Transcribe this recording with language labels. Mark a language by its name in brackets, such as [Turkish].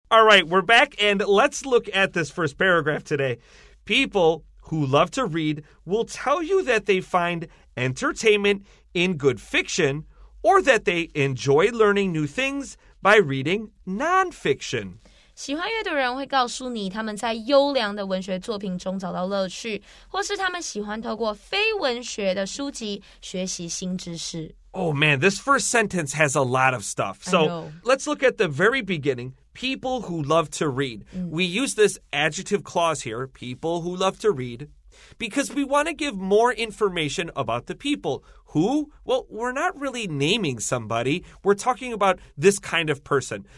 [English] All right, we're back, and let's look at this first paragraph today. People who love to read will tell you that they find entertainment in good fiction or that they enjoy learning new things by reading nonfiction. [Chinese] 喜欢阅读人会告诉你他们在优良的文学作品中找到乐趣或是他们喜欢透过非文学的书籍学习新知识。 [English] Oh man, this first sentence has a lot of stuff. So let's look at the very beginning. People who love to read. We use this adjective clause here, people who love to read, because we want to give more information about the people. Who? Well, we're not really naming somebody. We're talking about this kind of person.